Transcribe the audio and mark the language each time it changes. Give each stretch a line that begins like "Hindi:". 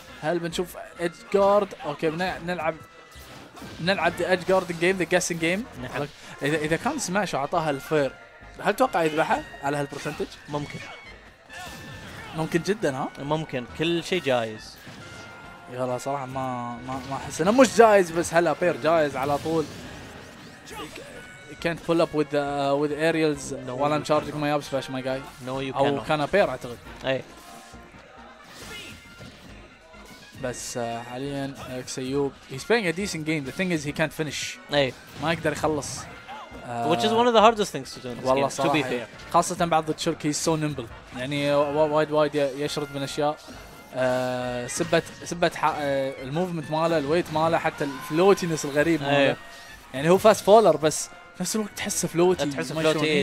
Arabic: هل بنشوف ايدج جارد؟ اوكي نلعب ايدج جارد جيم ذا جاسين جيم. اذا كان سماش اعطاها الفير هل توقع يذبحها على هالبرسنتج؟ ممكن جدا. ها ممكن كل شيء جايز. يلا صراحه ما ما ما احس انه مش جايز بس هلا بير جايز على طول.
English: Can't pull up with aerials while I'm charging my up smash my guy. No you cannot.
Arabic: أو كان أبير أعتقد. أي. بس حاليا أكسيوب.
English: He's playing a decent game. The thing is he can't finish.
Arabic: أي. ما يقدر يخلص.
English: Which is one of the hardest things to do in this
Arabic: والله
English: game.
Arabic: صراحة.
English: To be fair.
Arabic: خاصة بعض الشرك
English: he's so nimble.
Arabic: يعني وايد يشرد من أشياء. سبت الموفمنت ماله الويت ماله حتى الفلوتينس الغريب ماله. أي. يعني هو فاست فولر بس نفس الوقت تحس فلوتي